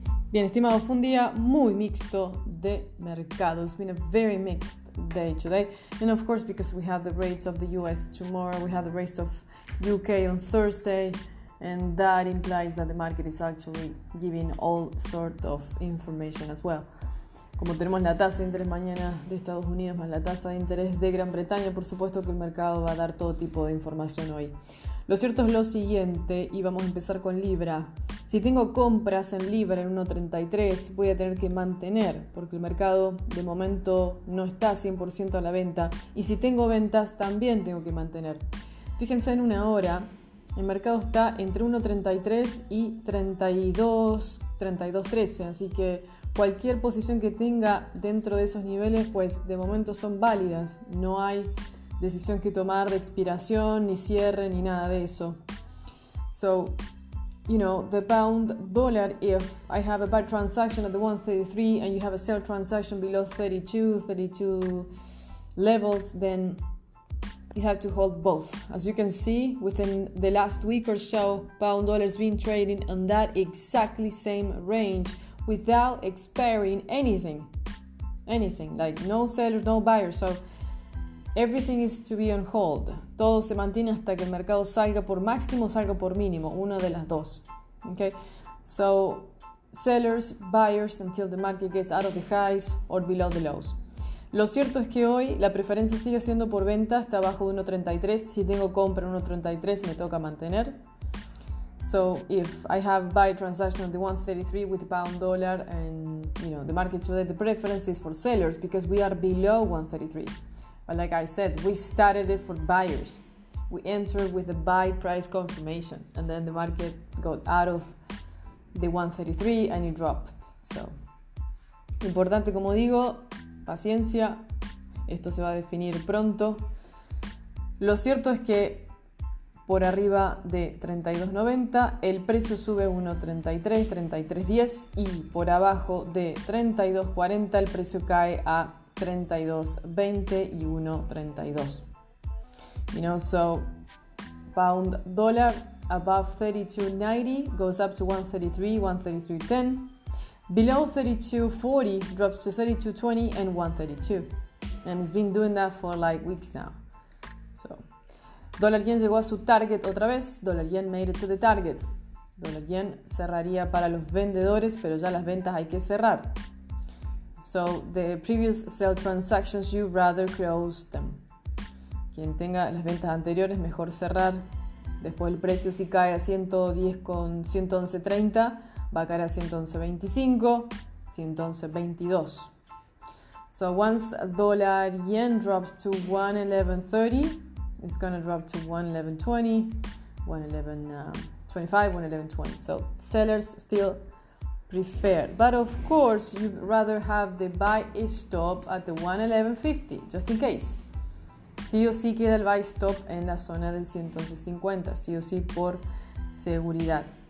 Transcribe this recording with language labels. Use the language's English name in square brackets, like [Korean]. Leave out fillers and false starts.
[Spanish] Bien, estimado, fue un día muy mixto de mercado. [English] It's been a very mixed day today. And of course, because we have the rates of the US tomorrow, we have the rates of UK on Thursday, and that implies that the market is actually giving all sort of information as well. [Spanish] Como tenemos la tasa de interés mañana de Estados Unidos más la tasa de interés de Gran Bretaña, por supuesto que el mercado va a dar todo tipo de información hoy. Lo cierto es lo siguiente, y vamos a empezar con Libra. Si tengo compras en Libra en 1.33, voy a tener que mantener, porque el mercado de momento no está 100% a la venta, y si tengo ventas también tengo que mantener. Fíjense, en una hora, el mercado está entre 1.33 y 32.13, así que cualquier posición que tenga dentro de esos niveles, pues de momento son válidas, no hay decisión que tomar de expiración, ni cierre, ni nada de eso. [English] So, you know, the pound dollar, if I have a bad transaction at the 1.33 and you have a sell transaction below 32 levels, then you have to hold both. As you can see, within the last week or so, pound dollar has been trading on that exactly same range without expiring anything, like no sellers, no buyers. So everything is to be on hold. [Spanish] Todo se mantiene hasta que el mercado salga por máximo o salga por mínimo, una de las dos. Okay? [English] So, sellers, buyers, until the market gets out of the highs or below the lows. [Spanish] Lo cierto es que hoy la preferencia sigue siendo por venta, está abajo de 1.33. Si tengo compra en 1.33, me toca mantener. [English] So, if I have buy transaction at the 1.33 with the pound dollar and, you know, the market today, the preference is for sellers because we are below 1.33. But like I said, we started it for buyers. We entered with the buy price confirmation, and then the market got out of the 1.33 and it dropped. [Spanish] So, importante, como digo, paciencia. Esto se va a definir pronto. Lo cierto es que por arriba de 32.90 el precio sube 1.33, 33.10, y por abajo de 32.40 el precio cae a 32.20 y 1.32. [English] You know, so pound dollar above 32.90 goes up to 1.33, 1.33.10. Below 32.40 drops to 32.20 and 1.32. And it's been doing that for like weeks now. [Spanish] So dollar yen llegó a su target otra vez. [English] Dollar yen made it to the target. [Spanish] Dollar yen cerraría para los vendedores, pero ya las ventas hay que cerrar. [English] So, the previous sell transactions, you rather close them. [Spanish] Quien tenga las ventas anteriores, mejor cerrar. Después el precio, si cae a 111.30, va a caer a 111.25, 111.22. [English] So, once dollar yen drops to 111.30, it's going to drop to 111.20, 111.25, 111.20. So, sellers still preferred, but of course you'd rather have the buy stop at the 111.50, just in case. [Spanish] Sí o sí queda el buy stop en la zona del 111.50, sí o sí, por seguridad.